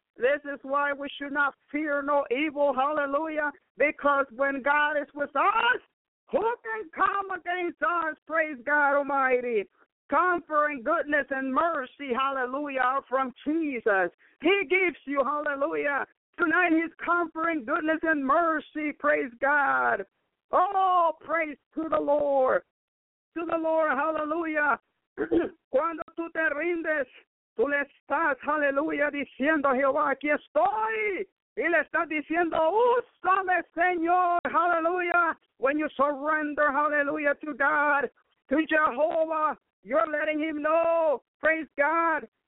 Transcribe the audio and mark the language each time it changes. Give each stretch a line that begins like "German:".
English: This is why we should not fear no evil, hallelujah, because when God is with us, who can come against us, praise God Almighty? Comfort and goodness and mercy, hallelujah, are from Jesus. He gives you, hallelujah. Tonight, he's comforting goodness and mercy, praise God. Oh, praise to the Lord. To the Lord, hallelujah.
Spanish: Cuando tú te rindes, tú le estás, hallelujah, diciendo, Jehová, aquí estoy. Y le estás diciendo, úsame, Señor, hallelujah.
English: When you surrender, hallelujah, to God, to Jehovah, you're letting him know, praise God.